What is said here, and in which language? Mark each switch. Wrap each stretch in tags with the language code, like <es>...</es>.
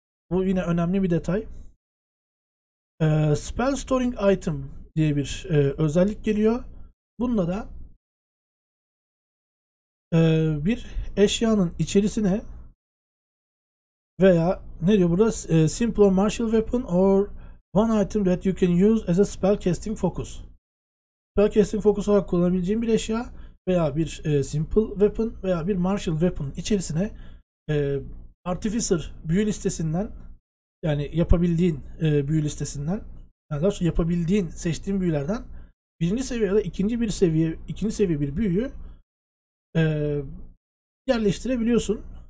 <tr>Bu yine önemli bir detay. Spell Storing Item diye bir özellik geliyor. Bunda da bir eşyanın içerisine veya ne diyor burada?</tr> <en>Simple martial weapon or one item that you can use as a spell casting focus.</en> <tr>Spell casting focus olarak kullanabileceğin bir eşya veya bir simple weapon veya bir martial weapon içerisine artificer büyü listesinden, yani yapabildiğin büyü listesinden, yani daha sonra yapabildiğin seçtiğin büyülerden birinci seviye ya da ikinci seviye bir büyüyü yerleştirebiliyorsun.</tr>